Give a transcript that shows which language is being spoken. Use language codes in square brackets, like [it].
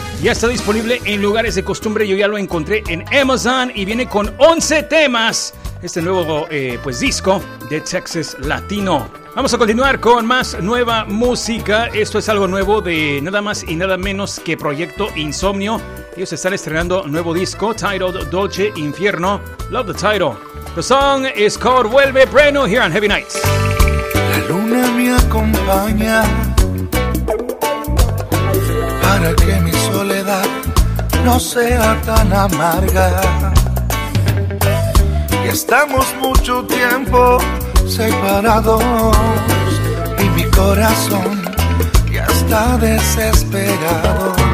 [es] Ya está disponible en lugares de costumbre, yo ya lo encontré en Amazon y viene con 11 temas este nuevo disco de Texas Latino. Vamos a continuar con más nueva música. Esto es algo nuevo de nada más y nada menos que Proyecto Insomnio. Ellos están estrenando un nuevo disco [en] titled [es] Dolce Infierno. [en] Love the title. The song is called Vuelve Breno here on Heavy Nights. [es] La luna me acompaña para que mi soledad no sea tan amarga. Y estamos mucho tiempo separados y mi corazón ya está desesperado.